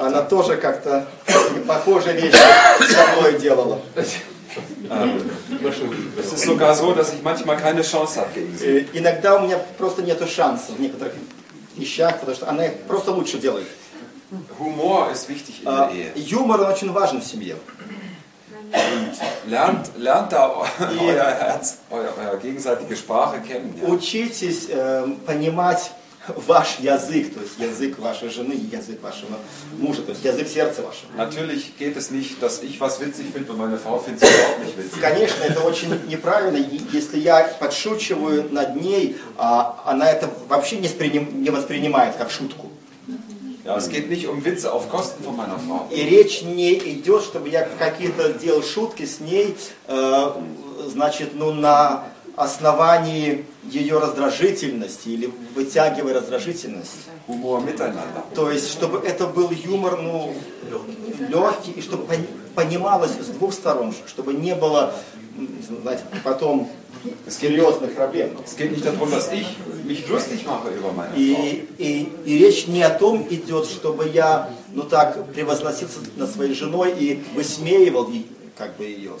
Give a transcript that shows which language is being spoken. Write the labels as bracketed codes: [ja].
[ru] Она тоже как-то похожие вещи со мной делала. [de] Es ist sogar so, dass ich manchmal keine Chance habe gegen sie. [ru] Иногда у меня просто нету шанса в некоторых вещах, потому что она их просто лучше делает. [de] Humor ist wichtig in der Ehe. [ru] Юмор очень важен в семье. [de] Lernt da euer Herz, eure gegenseitige Sprache kennen. Ja. [ru] Учитесь понимать ваш язык, то есть язык вашей жены, язык вашего мужа, то есть язык сердца вашего. [de] Natürlich geht es nicht, dass ich was witzig finde, und meine Frau findet es überhaupt nicht witzig. [ru] Конечно, это очень неправильно, если я подшучиваю над ней, а она это вообще не воспринимает как шутку. [de] Ja, es geht nicht um Witze auf Kosten von meiner Frau. [ru] И речь не идет, чтобы я какие-то делал шутки с ней, значит, ну, на основании ее раздражительности или вытягивая раздражительность. [de] Humor miteinander. [ru] То есть, чтобы это был юмор, ну, легкий, и чтобы понималось с двух сторон, чтобы не было, знаете, потом... серьезных проблем. [de] Es geht nicht darum, dass ich mich lustig mache über meine Frau. [ru] И речь не о том идет, чтобы я, ну так, превозносился над своей женой и высмеивал как бы ее.